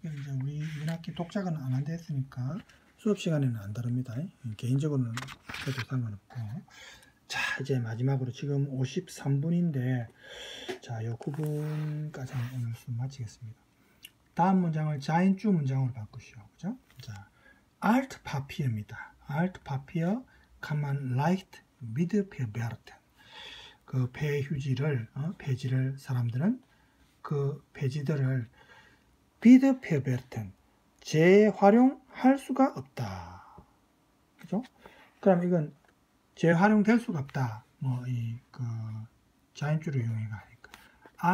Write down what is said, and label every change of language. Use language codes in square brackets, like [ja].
[ko] 이제 우리 이번 학기 독작은 안 한다 했으니까 수업 시간에는 안 다릅니다. 개인적으로는 해도 상관없고. 자, 이제 마지막으로 지금 53분인데, 자, 요 9분까지 오늘 수업 마치겠습니다. 다음 문장을 자연주 문장으로 바꾸시오. 그죠? 자, 알트 파피어입니다. [de] Alt Papier kann man leicht mit verwerten. [ko] 그 폐휴지를, 폐지를 사람들은 그 폐지들을 [de] mit verwerten. [ko] 재활용할 수가 없다. 그죠? 그럼 이건 재활용될 수가 없다. 뭐, 이, 그, 자연주를 이용해가 하니까.